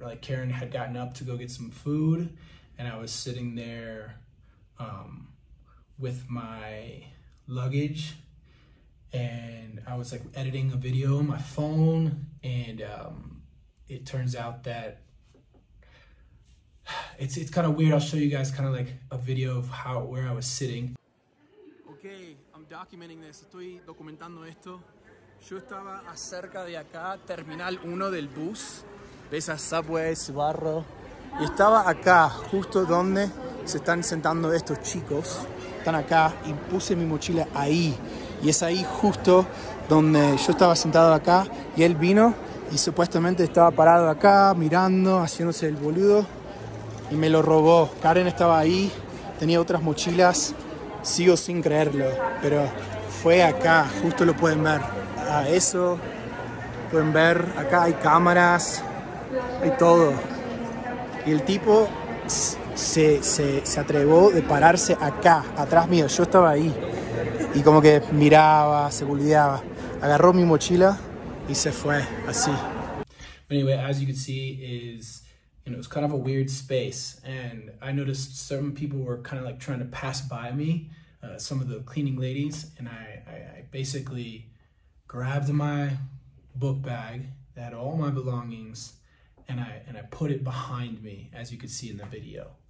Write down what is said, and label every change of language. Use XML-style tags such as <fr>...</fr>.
<en>Like, Karen had gotten up to go get some food, and I was sitting there with my luggage, and I was like editing a video on my phone, and it turns out that it's kind of weird. I'll show you guys kind of like a video of how where I was sitting. Okay, I'm documenting this.</en> <es>Estoy documentando esto. Yo estaba acerca de acá, Terminal 1 del bus. Ves a Subway, barro. Y estaba acá, justo donde se están sentando estos chicos. Están acá y puse mi mochila ahí. Y es ahí justo donde yo estaba sentado acá. Y él vino y supuestamente estaba parado acá, mirando, haciéndose el boludo. Y me lo robó. Karen estaba ahí, tenía otras mochilas. Sigo sin creerlo, pero fue acá, justo lo pueden ver. A eso pueden ver, acá hay cámaras, hay todo. Y el tipo se atrevó de pararse acá, atrás mío. Yo estaba ahí y como que miraba, se boludeaba. Agarró mi mochila y se fue así.</es> <en>Anyway, as you can see, it was kind of a weird space, and I noticed some people were kind of like trying to pass by me, some of the cleaning ladies, and I basically grabbed my book bag that had all my belongings, and I put it behind me, as you could see in the video,</en>